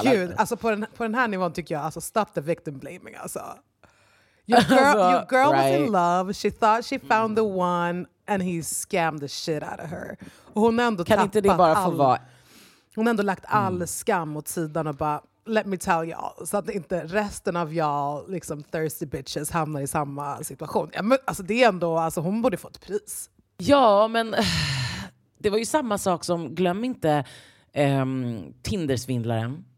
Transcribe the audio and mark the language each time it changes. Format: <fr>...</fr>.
<sv>Gud, alltså på den här nivån tycker jag, alltså</sv> <en>stop the victim blaming,</en> <sv>alltså.</sv> <en>Your girl right. Was in love. She thought she found the one and he scammed the shit out of her.</en> <sv>Och hon ändå kan inte det bara få vara. Hon ändå lagt all skam åt sidan och bara</sv> <en>let me tell y'all,</en> <sv>så att inte resten av</sv> <en>y'all</en> <sv>liksom</sv> <en>thirsty bitches</en> <sv>hamnar i samma situation. Ja, men alltså det är ändå, alltså hon borde fått pris. Ja, men det var ju samma sak som, glöm inte Tindersvindlaren.</sv>